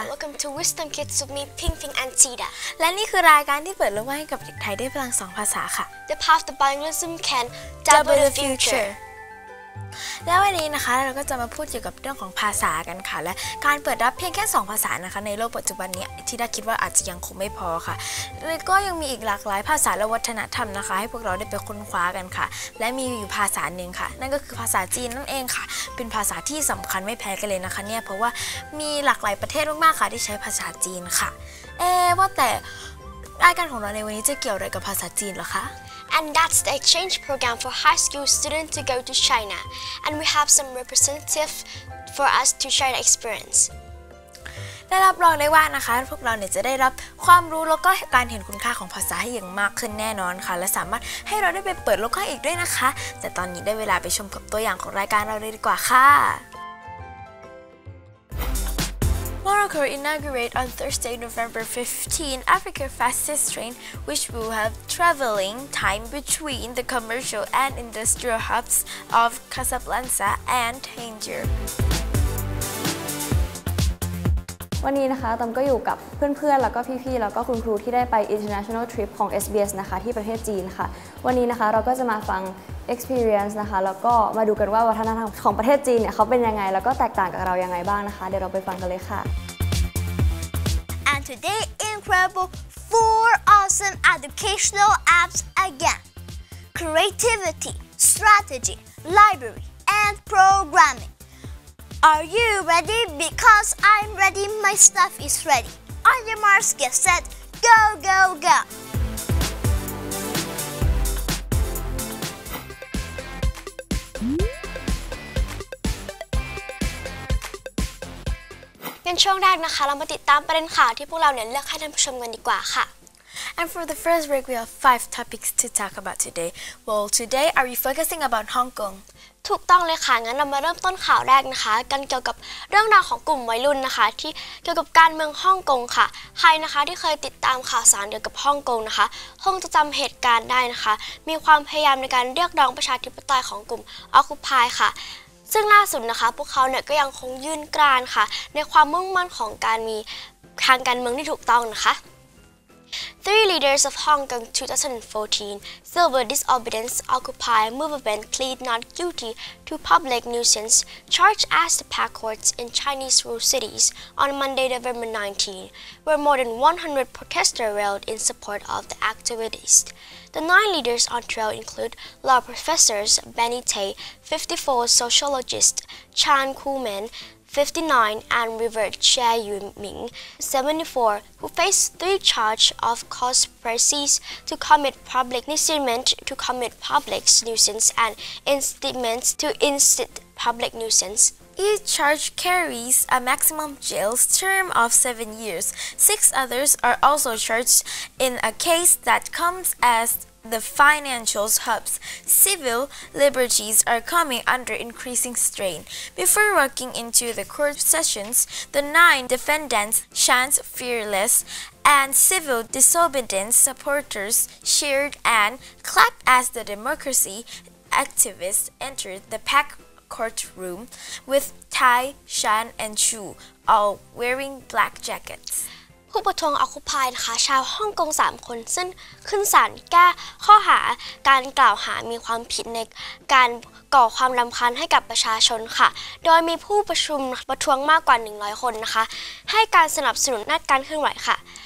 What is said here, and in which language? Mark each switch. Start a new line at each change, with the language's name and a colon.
English: Welcome to Wisdom Kids with me Ping Ping and Tida
Thai: และนี่คือรายการที่เปิดโลกให้กับเด็กไทยได้พลังสองภาษาค่ะ
English: The path to bilingualism can double the future
Thai: แล้ววันนี้นะคะเราก็จะมาพูดเกี่ยวกับเรื่องของภาษากันค่ะและการเปิดรับเพียงแค่สองภาษานะคะในโลกปัจจุบันนี้ที่ได้คิดว่าอาจจะยังคงไม่พอค่ะแล้วก็ยังมีอีกหลากหลายภาษาและวัฒนธรรมนะคะให้พวกเราได้ไปค้นคว้ากันค่ะและมีอยู่ภาษาหนึ่งค่ะนั่นก็คือภาษาจีนนั่นเองค่ะเป็นภาษาที่สำคัญไม่แพ้กันเลยนะคะเนี่ยเพราะว่ามีหลากหลายประเทศมากๆค่ะที่ใช้ภาษาจีนค่ะว่าแต่รายการของเราในวันนี้จะเกี่ยวอะไรกับภาษาจีนหรอคะ
English: And that's the exchange program for high school students to go to China. And we have some representative for us to share the experience.
Thai: ได้รับรองได้ว่านะคะพวกเราเนี่ยจะได้รับความรู้แล้วก็การเห็นคุณค่าของภาษาให้อย่างมากขึ้นแน่นอนค่ะและสามารถให้เราได้ไปเปิดโลกให้อีกด้วยนะคะแต่ตอนนี้ได้เวลาไปชมกับตัวอย่างของรายการเราเลยดีกว่าค่ะ
English: Morocco inaugurate on Thursday, November 15, Africa's fastest train, which will have traveling time between the commercial and industrial hubs of Casablanca and Tangier.
Thai: วันนี้นะคะตั้มก็อยู่กับเพื่อนๆแล้วก็พี่ๆแล้วก็คุณครูที่ได้ไป international trip ของ SBS นะคะที่ประเทศจีนค่ะวันนี้นะคะเราก็จะมาฟัง experience นะคะแล้วก็มาดูกันว่าวัฒนธรรมของประเทศจีนเนี่ยเขาเป็นยังไงแล้วก็แตกต่างกับเรายังไงบ้างนะคะเดี๋ยวเราไปฟังกันเลยค่ะ
English: And today incredible four awesome educational apps again creativity strategy library and programming are you ready because I'm ready my stuff is ready on your marks get set go go go
Thai: ในช่วงแรกนะคะเรามาติดตามประเด็นข่าวที่พวกเราเนี่ยเลือกให้ท่านผู้ชมกันดีกว่าค่ะ
English: And for the first week we have 5 topics to talk about today. Well, today are we focusing about Hong Kong?
Thai: ถูกต้องเลยค่ะงั้นเรามาเริ่มต้นข่าวแรกนะคะกันเกี่ยวกับเรื่องราวของกลุ่มวัยรุ่นนะคะที่เกี่ยวกับการเมืองฮ่องกงค่ะใครนะคะที่เคยติดตามข่าวสารเกี่ยวกับฮ่องกงนะคะคงจะจําเหตุการณ์ได้นะคะมีความพยายามในการเรียกร้องประชาธิปไตยของกลุ่ม Occupy ค่ะ ซึ่งล่าสุดนะคะพวกเขาเนี่ยก็ยังคงยืนกรานค่ะในความมุ่งมั่นของการมีทางการเมืองที่ถูกต้องนะคะ
English: Three leaders of Hong Kong 2014 Civil Disobedience Occupy Movement plead not guilty to public nuisance charged at the Park Courts in Chinese rural cities on Monday, November 19, where more than 100 protesters rallied in support of the activists. The nine leaders on trial include law professors Benny Tay, 54, sociologist Chan Kuo-min, 59, and Reverend Chia Yu-ming, 74, who face three charges of conspiracy to commit public nuisance, to commit public nuisance, and incitement to incite public nuisance. Each charge carries a maximum jail term of 7 years. Six others are also charged in a case that comes as the financial hubs. Civil liberties are coming under increasing strain. Before walking into the court sessions, the nine defendants, Shan's fearless, and civil disobedience supporters cheered and clapped as the democracy activists entered the packed courtroom with Tai, Shan, and Chu, all wearing black jackets.
Thai: ผู้ประท้วงออคูปายนะคะชาวฮ่องกง3คนซึ่งขึ้นศาลแก้ข้อหาการกล่าวหามีความผิดในการก่อความรำคาญให้กับประชาชนค่ะโดยมีผู้ประชุมประท้วงมากกว่า100คนนะคะให้การสนับสนุนนักการเคลื่อนไหวค่ะ